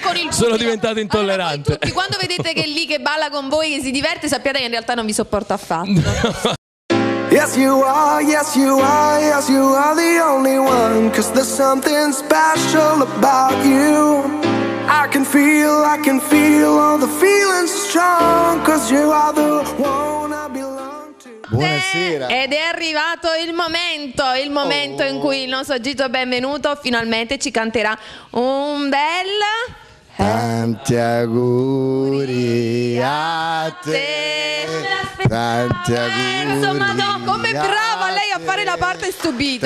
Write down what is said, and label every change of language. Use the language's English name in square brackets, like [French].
[Italian] Sono diventato intollerante. Allora, tutti, quando vedete che è lì che balla con voi, che si diverte, sappiate che in realtà non vi sopporto affatto. [English] Yes you are, yes you are, yes you are the only one. Cause there's something special about you. I can feel all the feelings strong. Cause you are the one I belong to. [Italian] Buonasera. Ed è arrivato il momento in cui il nostro Gigio Benvenuto finalmente ci canterà un bel... Tanti auguri a te. Tanti auguri. Insomma, no, come brava lei a fare la parte stupita,